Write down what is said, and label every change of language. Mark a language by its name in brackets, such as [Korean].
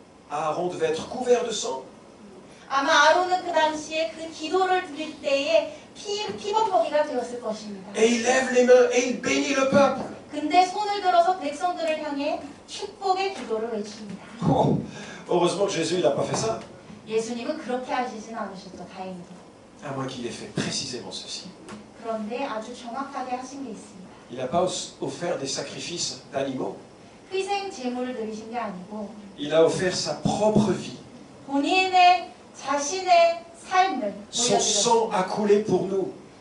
[French] Aaron devait être couvert de sang. [Korean] 아마 아론은 그 당시에 그 기도를 드릴 때에 피범벅이가 되었을 것입니다. [French] Et il lève les mains et il bénit le peuple. [Korean] 근데 손을 들어서 백성들을 향해 축복의 기도를 외칩니다. [French] Oh, heureusement que Jésus il a pas fait ça. [Korean] 예수님은 그렇게 하시진 않으셨죠. 다행히도. [French] À moins qu'il ait fait précisément ceci. [Korean] 그런데 아주 정확하게 하신 게 있습니다. [French] Il a pas offert des sacrifices d'animaux. [Korean] 희생 제물을 드리신 게 아니고. [French] Il a offert sa propre vie. [Korean] 본인의 자신의 [French] Son sang a coulé pour nous.